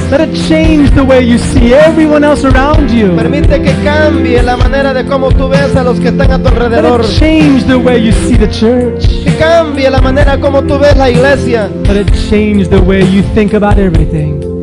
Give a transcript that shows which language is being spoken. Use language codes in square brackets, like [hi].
[en] Let it change the way you see everyone else around you. [es] Permite que cambie la manera de cómo tú ves a los que están a tu alrededor. [en] Let it change the way you see the church. [es] Que cambie la manera como tú ves la iglesia. [en] Let it change the way you think about everything.